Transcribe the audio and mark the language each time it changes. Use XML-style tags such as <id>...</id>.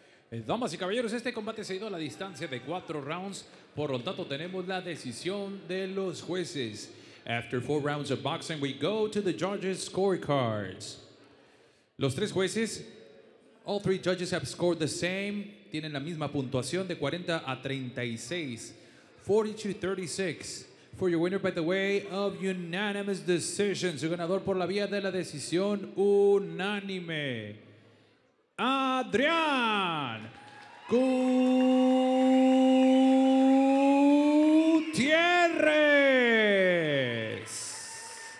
<es>Damas y caballeros, este combate se ha ido a la distancia de cuatro rounds. Por lo tanto, tenemos la decisión de los jueces.</es> <en>After four rounds of boxing, we go to the judges' scorecards.</en> <es>Los tres jueces,</es> <en>all three judges have scored the same.</en> <es>Tienen la misma puntuación de 40 a 36.</es> <en>40-36. For your winner, by the way, of unanimous decision.</en> <es>Su ganador por la vía de la decisión unánime. Adrian Gutierrez.</es>